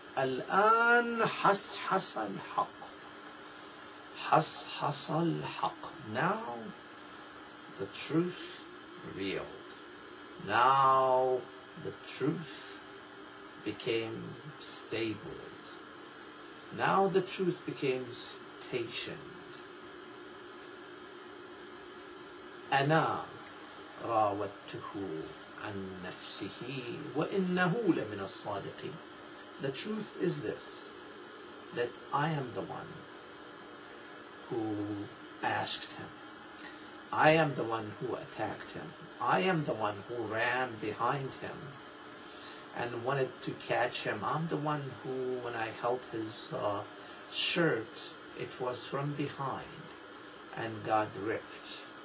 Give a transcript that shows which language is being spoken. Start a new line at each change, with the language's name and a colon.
Arabic: الآن حصحص الحق. حصحص الحق.
English: Now the truth revealed. Now the truth became stabled. Now the truth became stationed.
Arabic: أنا راودته عن نفسه وإنه لمن الصادقين.
English: The truth is this, that I am the one who asked him. I am the one who attacked him. I am the one who ran behind him and wanted to catch him. I'm the one who, when I held his shirt, it was from behind and got ripped.